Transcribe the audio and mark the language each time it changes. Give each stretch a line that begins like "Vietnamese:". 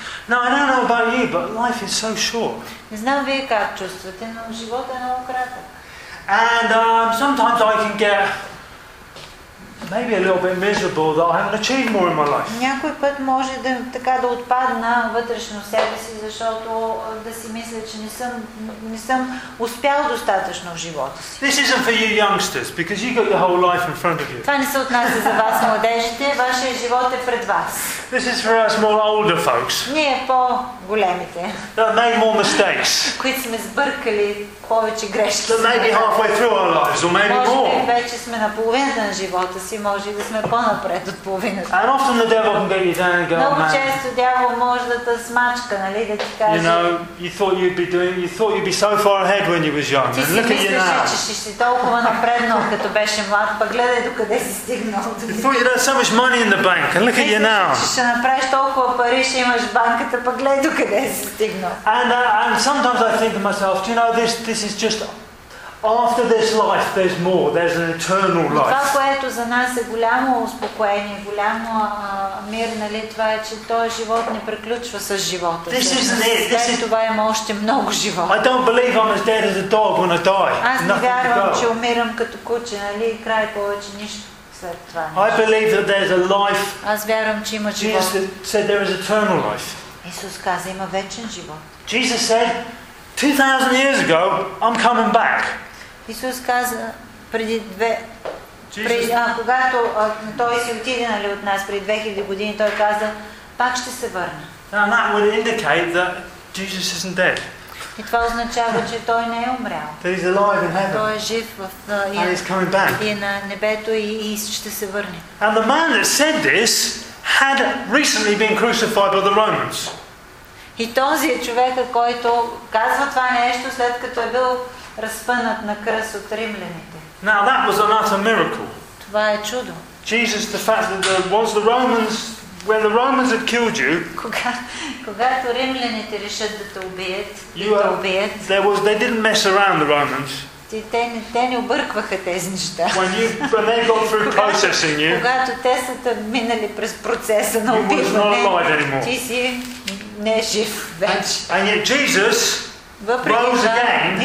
English: No, I don't know about you, but life is so short.
Bulgarian: Не знам вие как чувствате, но живота е много кратък.
English: And sometimes I can get maybe a little bit miserable that I haven't achieved more in my life.
Bulgarian: Някой път може да така да отпадна вътрешно себе си, защото да си мисля, че не съм успял достатъчно в живота си.
English: This isn't for you youngsters, because you got your whole life in front of you.
Bulgarian: Това не се отнася за вас, младежите, вашия живот е пред вас.
English: This is for us more older folks.
Bulgarian: Ние по-големите.
English: That made more mistakes.
Bulgarian: Които сме сбъркали повече грешки.
English: That maybe halfway through our lives, or maybe more.
Bulgarian: Може би вече сме на половината на живота си, може и да сме по-напред от половината.
English: And often the devil can get you down and go, man.
Bulgarian: Много често дявол може да те смачка, нали, да ти каже.
English: You know, you thought you'd be so far ahead when you was young. And look at you now.
Bulgarian: Ти си мислиш, че ще си толкова напредно, като беше млад, па гледай докъде си стигнал.
English: You thought you'd have so much money in the bank, and look at you now.
Bulgarian: Ще направиш толкова пари, ще имаш банката, па гледай докъде си стигнал.
English: And sometimes I think to myself, do you know, this is just after this life, there's more. There's an eternal life.
Bulgarian: Това, което за нас е голямо успокоение, голямо мир, нали, това е, че този живот не преключва с живота.
English: This isn't it.
Bulgarian: След това има още много живот.
English: I don't believe I'm as dead as a dog when I die.
Bulgarian: Аз не вярвам, че умирам като куче, нали, и край повече нищо.
English: I believe that there's a life.
Bulgarian: Аз вярвам, че има живот.
English: Jesus said there is eternal life.
Bulgarian: Исус каза, има вечен живот.
English: Jesus said 2000 years ago, I'm coming back.
Bulgarian: Исус каза преди две. Когато той си отиде, нали, от нас преди 2000 години, той каза, пак ще се върна.
English: And that would indicate that Jesus isn't dead.
Bulgarian: И това означава, че той не е умрял.
English: He's alive in heaven.
Bulgarian: Той е жив в и на небето и ще се върне.
English: And the man that said this had recently been crucified by the Romans.
Bulgarian: И този е човека, който казва това нещо, след като е бил разпънат на кръст от римляните.
English: Now that was another miracle.
Bulgarian: Това е чудо.
English: Jesus, the fact that was the Romans. When the Romans had killed you,
Bulgarian: когато римляните решат да те убият, и те убият.
English: They didn't mess around the Romans.
Bulgarian: Те не объркваха тези неща.
English: When they got through processing you,
Bulgarian: когато те са минали през процеса на убиване, ти си не жив вече.
English: And yet Jesus rose again.